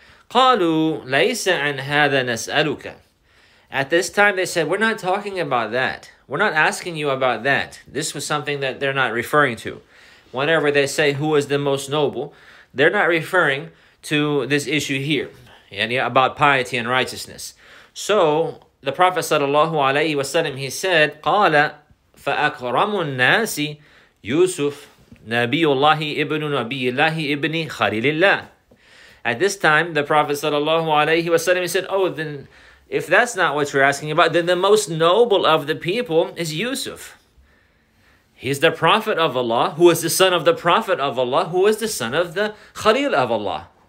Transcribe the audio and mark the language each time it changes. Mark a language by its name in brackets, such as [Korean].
[Arabic] Qalu laysa an hadha nas'aluka. [English] At this time, they said, we're not talking about that. We're not asking you about that. This was something that they're not referring to. Whenever they say who is the most noble, they're not referring to this issue here, yani about piety and righteousness. So the Prophet sallallahu alayhi wa sallam, he said, [Arabic] قَالَ فَأَكْرَمُ النَّاسِ يُوسُفْ نَبِيُ اللَّهِ إِبْنُ نَبِيِّ اللَّهِ إِبْنِ خَلِيلِ اللَّهِ. [English] At this time, the Prophet sallallahu alayhi wa sallam, he said, oh, then if that's not what you're asking about, then the most noble of the people is Yusuf. He's the Prophet of Allah, who is the son of the Prophet of Allah, who is the son of the Khalil of Allah.